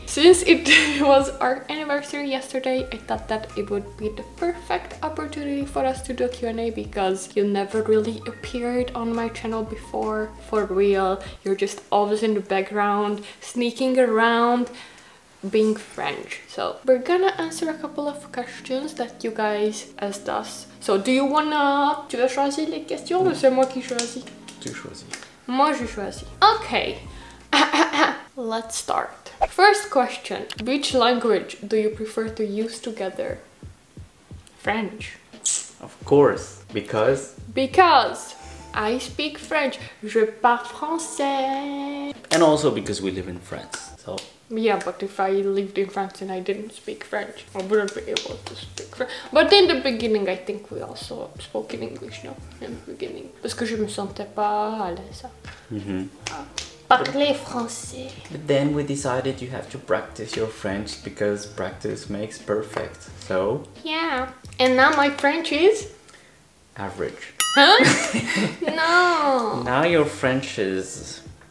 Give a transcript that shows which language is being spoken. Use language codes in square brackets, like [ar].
[en] Since it was our anniversary yesterday, I thought that it would be the perfect opportunity for us to do a Q&A because you never really appeared on my channel before. For real, you're just always in the background, sneaking around, being French. So we're gonna answer a couple of questions that you guys asked us. So do you wanna... [fr] Tu vas choisir les questions ou c'est moi qui choisis? Tu choisis. Moi, je choisis. [en] Okay, let's start. First question, which language do you prefer to use together? French. Of course, because? Because I speak French. [fr] Je parle français. [en] And also because we live in France, so. Yeah, but if I lived in France and I didn't speak French, I wouldn't be able to speak French. But in the beginning, I think we also spoke in English, no? In the beginning. [fr] Parce que je me sentais pas à l'aise. Parler français. [en] But then we decided you have to practice your French because practice makes perfect, so? Yeah. And now my French is? Average. Huh? No. Now your French is...